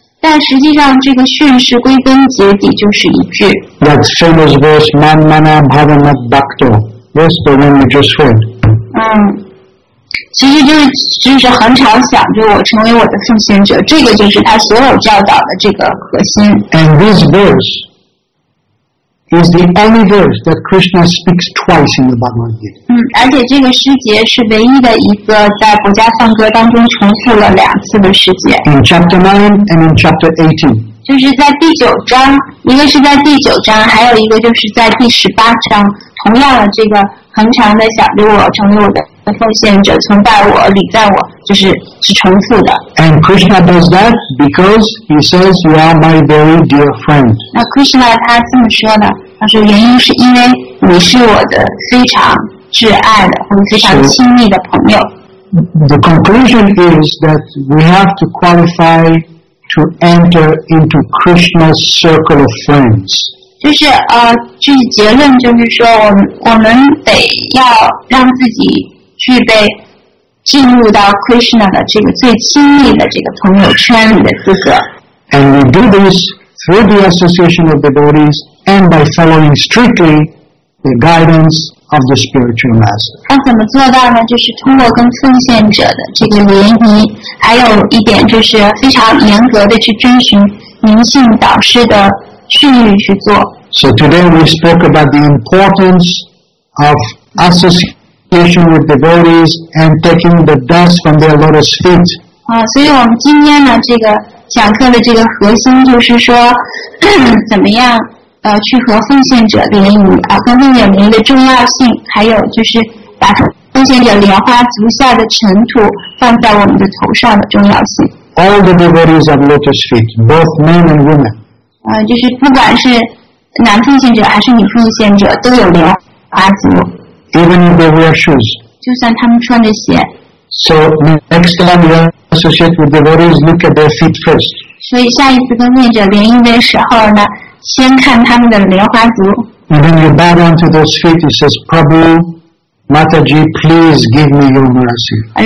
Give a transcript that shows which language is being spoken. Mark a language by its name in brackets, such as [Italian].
[Chinese] 但实际上，这个训示归根结底就是一句。 [English] That famous verse, [Sanskrit] "Man mana bhavanat bhakto." [English] That's the one we just heard. [Chinese] 其实就是恒常想着我，成为我的奉献者，这个就是他所有教导的这个核心。 [English] And this verse is the only verse that Krishna speaks twice in the Bhagavad Gita. [Chinese] 而且这个诗节是唯一的一个在佛家梵歌当中重复了两次的诗节。 [English] In chapter 9 and in chapter 18. [Chinese] 就是在第九章，一个是在第九章，还有一个就是在第十八章，同样的这个恒常的想着我，成为我的。奉献者崇拜我礼赞我就是重复的 [English] And Krishna does that because he says you are my very dear friend [Chinese] 那 Krishna 他这么说的他说原因是因为你是我的非常挚爱的或者非常亲密的朋友 [English] The conclusion is that we have to qualify to enter into Krishna's circle of friends [Chinese] 就是结论就是说我们得要让自己具备进入到 Krishna 的这个最亲密的这个朋友圈里的资格。 [English] And we do this through the association of devotees and by following strictly the guidance of the spiritual master. [Chinese] 那怎么做到呢？就是通过跟奉献者的这个联谊，还有一点就是非常严格的去遵循灵性导师的训谕去做。 [English] So today we spoke about the importance of association. With devotees and taking the dust from their lotus feet. [Chinese] 所以我们今天呢，这个讲课的这个核心就是说，怎么样去和奉献者联谊，跟奉献者联谊的重要性，还有就是把彰显着莲花足下的尘土放在我们的头上的重要性。 [English] All the devotees of lotus feet, both men and women. [Chinese] 就是不管是男奉献者还是女奉献者，都有莲花足。 [English] Even if they wear shoes. [Chinese] 就算他们穿着鞋。 [English] So next time you associate with devotees, look at their feet first. [Chinese] 所以下一次奉献者联姻的时候呢，先看他们的莲花足。 [English] And when you bow down to those feet, it says, Prabhu, Mataji, please give me your mercy.